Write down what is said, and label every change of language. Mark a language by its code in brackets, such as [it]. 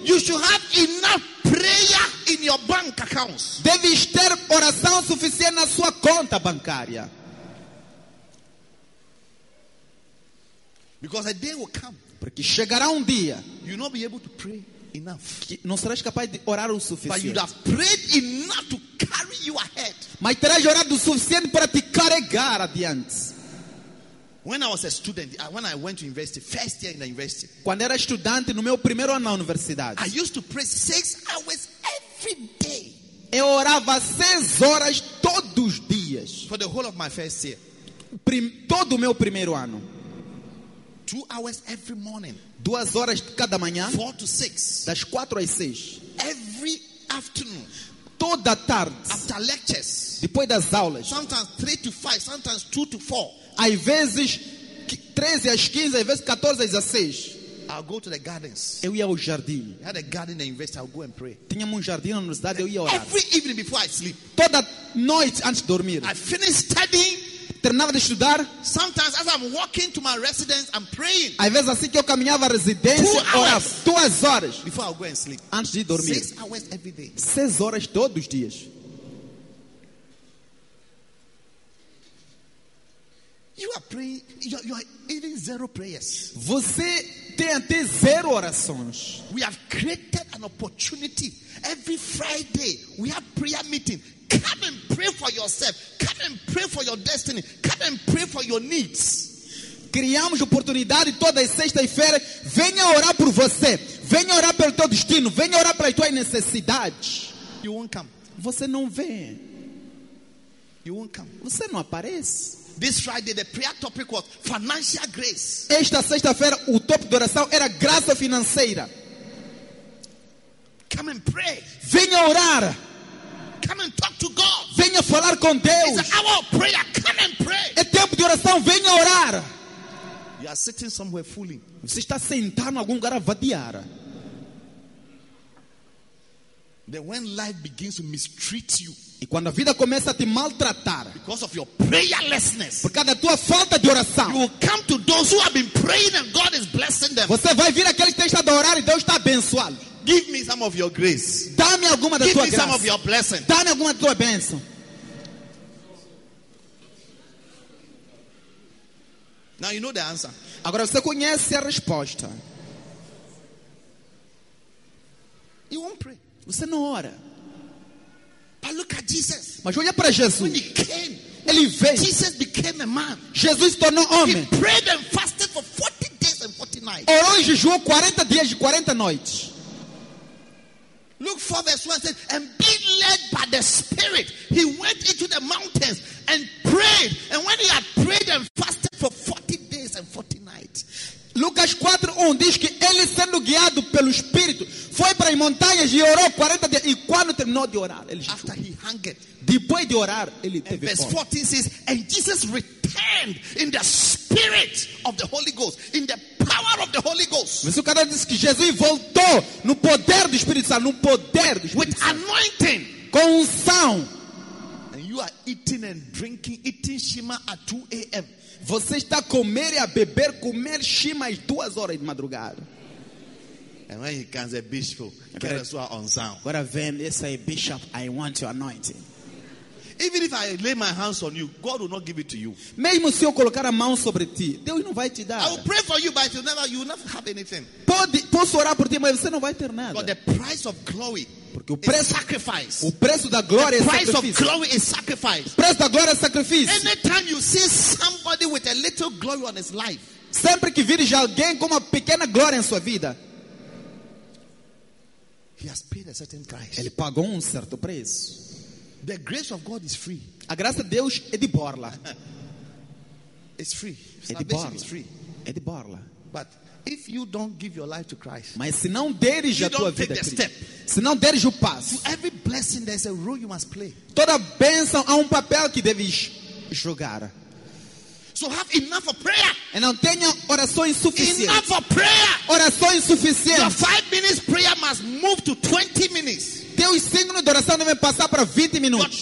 [en] you should have enough prayer in your bank accounts. [pt] Deves ter oração suficiente na sua conta bancária. [en] Because a day will come, [pt] porque chegará dia, [en] you will not be able to pray enough. [pt] Que não serás capaz de orar o suficiente. [en] But you have prayed enough to carry you ahead. [pt] Mas terás orado o suficiente para te carregar adiante. [en] When I was a student, when I went to university, first year in the university. [pt] Quando era estudante no meu primeiro ano na universidade. [en] I used to pray 6 hours every day. [pt] Eu orava 6 horas todos os dias. [en] For the whole of my first year. [pt] Todo o meu primeiro ano. [en] 2 hours every morning. [pt] 2 horas cada manhã. [en] 4 to 6. [pt] Das 4 às 6. [en] Every afternoon. [pt] Toda tarde. [en] After lectures. [pt] Depois das aulas. [en] Sometimes 3 to 5. Sometimes 2 to 4. [pt] Às vezes 13 às 15, às vezes 14 às 16. [en] I'll go to the gardens. [pt] Eu ia ao jardim. [en] I had a garden in the university. I'll go and pray. [pt] Tinha jardim na universidade. Eu ia orar. [en] Every evening before I sleep. [pt] Toda noite antes de dormir. [en] I finish studying. [pt] Terminava de estudar. [en] Sometimes as I'm walking to my residence, I'm praying. [pt] Às vezes assim que eu caminhava à residência, orava 2 horas. [en] Before I'll go and sleep. [pt] Antes de dormir. [en] 6 hours every day. [pt] 6 horas todos os dias. [en] You are praying. You are even zero prayers. [pt] Você tem até zero orações. [en] We have created an opportunity. Every Friday we have prayer meeting. Come and pray for yourself. Come and pray for your destiny. Come and pray for your needs. [pt] Criamos oportunidade toda sexta-feira. Venha orar por você. Venha orar pelo teu destino. Venha orar pelas tuas necessidades. [en] You won't come. [pt] Você não vem. [en] You won't come. [pt] Você não aparece. [en] This Friday the prayer topic was financial grace. [pt] Esta sexta-feira o tópico de oração era graça financeira. [en] Come and pray. [pt] Venha orar. [en] Come and talk to God. [pt] Venha falar com Deus. [en] It's an hour of prayer. Come and pray. [pt] É tempo de oração. Venha orar. [en] You are sitting somewhere fooling. [pt] Você está sentado em algum lugar a vadiar. [en] Then when life begins to mistreat you. [pt] E quando a vida começa a te maltratar, [en] because of your prayerlessness, [pt] por causa da tua falta de oração, [en] you will come to those who have been praying and God is blessing them. [pt] Você vai vir àqueles que têm estado a orar e Deus está abençoando. [en] Give me some of your grace. [pt] Dá-me alguma da [en] Give [pt] tua [en] me [pt] graça. [en] Some of your blessing. [pt] Dá-me alguma da tua bênção. [en] Now you know the answer. [pt] Agora você conhece a resposta. [en] You won't pray. [pt] Você não ora. [en] But look at Jesus. [pt] Mas olha para Jesus. [en] When he came, [pt] ele veio. [en] Jesus became a man. [pt] Jesus tornou homem. [en] He prayed and fasted for 40 days and 40 nights. [pt] Orou e jejuou 40 dias e 40 noites. [en] Look 4 verse 1 says, and being led by the Spirit, he went into the mountains and prayed. And when he had prayed and fasted for 40 days and 40 nights. [pt] Lucas 4:1 diz que ele guiado pelo Espírito, foi para as montanhas e orou 40 dias. E quando terminou de orar, ele jejuou. [en] After he hungered, [pt] depois de orar, ele teve fome. [en] Verse 14 says, and Jesus returned in the Spirit of the Holy Ghost, in the power of the Holy Ghost. [pt] Versículo 14 diz que Jesus voltou no poder do Espírito Santo, no poder do Espírito [en] Santo. With anointing, [pt] com unção. [en] And you are eating and drinking, eating Shema at 2 a.m. [pt] Você está a comer e a beber, comer Shema às 2 horas de madrugada. [en] And when he comes, a bishop, get a [pt] sua unção. Agora vem, ele [en] say, Bishop, I want your anointing. Even if I lay my hands on you, God will not give it to you. [pt] Mesmo se eu colocar a mão sobre ti, Deus não vai te dar. [en] I will pray for you, but you will never have anything. [pt] Posso orar por ti, mas você não vai ter nada. [en] But the price of glory. [pt] Porque o preço, [en] is sacrifice. [pt] O preço da glória [en] the price [pt] é sacrifício. [en] Of glory is sacrifice. [pt] O preço da glória é sacrifício. [en] Anytime you see somebody with a little glory on his life. [pt] Sempre que vires alguém com uma pequena glória em sua vida. [en] He has paid a certain price. [pt] Ele pagou um certo preço. [en] The grace of God is free. [pt] A graça de Deus é de borla. [en] It's free. [pt] É de borla. [en] Is free. [pt] É de borla. [en] But if you don't give your life to Christ, [pt] mas se não deres [en] you [pt] a tua [en] don't [pt] vida [en] take [pt] a [en] Cristo, step. [pt] Se não deres o passo, [en] every blessing, there's a role you must play. [pt] Toda bênção há um papel que deves jogar. [en] So have enough of prayer. [pt] E não tenha orações suficientes. [en] Enough of prayer. [pt] Orações suficientes. [en] Your 5 minutes prayer must move to 20 minutes. [pt] Teus 5 minutos de oração devem passar para 20 minutos.